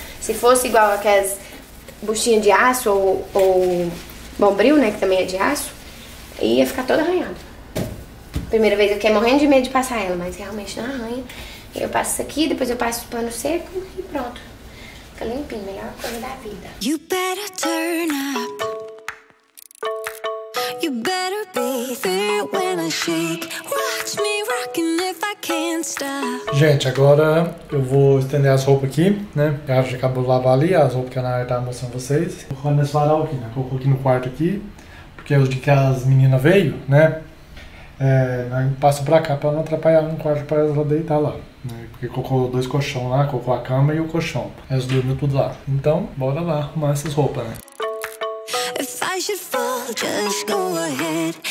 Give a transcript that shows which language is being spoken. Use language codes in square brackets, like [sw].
[pt] Se fosse igual aquelas buchinhas de aço ou bombril, né, que também é de aço, ia ficar toda arranhada. Primeira vez eu fiquei morrendo de medo de passar ela, mas realmente não arranha. Eu passo isso aqui, depois eu passo o pano seco e pronto. Fica limpinho, melhor coisa da vida. [en] You better turn up. You better be there when I shake. Watch me rocking if I can't stop. [pt] Gente, agora eu vou estender as roupas aqui, né? A gente acabou de lavar ali as roupas que a Nara tá mostrando vocês. Vou colocar nesse varal aqui, né? Colocou aqui no quarto aqui, porque é o dia que as meninas veio, né? É, passo pra cá pra não atrapalhar no quarto pra ela deitar lá, né? Porque colocou dois colchões lá, colocou a cama e o colchão. Elas dormiram tudo lá. Então, bora lá arrumar essas roupas, né? [en] If I should fall, just go ahead.